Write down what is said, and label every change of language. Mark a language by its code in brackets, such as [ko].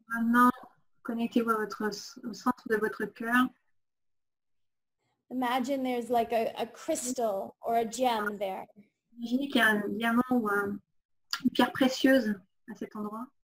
[fr] Maintenant, connectez-vous à votre, au centre de votre cœur. [en] Imagine there's like a crystal or a gem there. [fr] Imaginez qu'il y a un diamant ou une pierre précieuse à cet endroit.